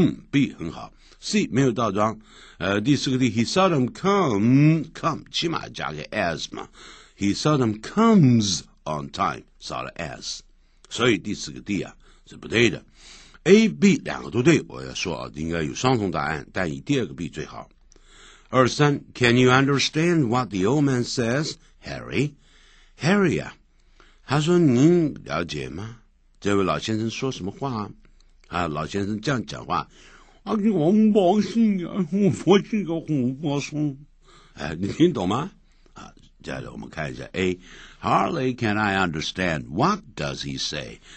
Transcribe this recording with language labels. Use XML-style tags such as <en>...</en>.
<zh>B 很好 ，C 没有倒装。第四个 D，</zh> <en>he seldom come，</en> <zh>起码加个 as 嘛 ，</zh> <en>he seldom comes on time,</en> <zh>少了 s， 所以第四个 d 啊是不对的。 A、B 两个都对，我要说啊，应该有双重答案，但以第二个 B 最好。二三</zh> <en>，Can you understand what the old man says, Harry?</en> <zh>Harry 啊，他说您了解吗？这位老先生说什么话啊？啊，老先生这样讲话，啊，我不信啊，我是个胡说。哎，你听懂吗？啊，接着我们看一下 A，</zh> <en>hardly can I understand what does he say？</en>